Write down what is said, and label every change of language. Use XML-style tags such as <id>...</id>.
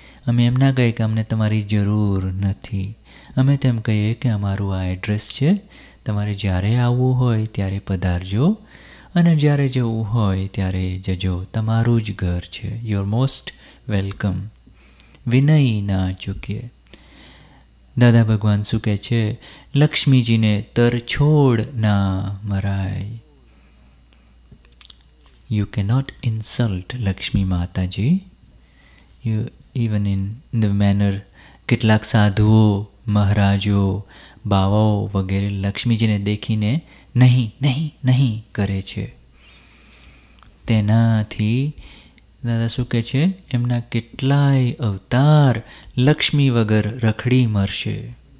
<gu>અમે એમ ના કહીએ કે અમને તમારી જરૂર નથી. અમે તેમ કહીએ કે અમારું આ એડ્રેસ છે, તમારે જ્યારે આવવું હોય ત્યારે પધારજો અને જ્યારે જવું હોય ત્યારે જજો. તમારું જ ઘર છે,</gu> <en>You are most welcome.</en> <gu>વિનય ના ચૂકીએ. દાદા ભગવાન શું કહે છે, લક્ષ્મીજીને તરછોડ ના મરાય.</gu> <en>you cannot insult Lakshmi Mataji. You, even in the manner,</en> <gu>કેટલાક સાધુઓ મહારાજો બાવાઓ વગેરે લક્ષ્મીજીને દેખીને નહીં નહીં નહીં કરે છે, તેનાથી દાદા શું કહે છે, એમના કેટલાય અવતાર લક્ષ્મી વગર રખડી મરશે.</gu>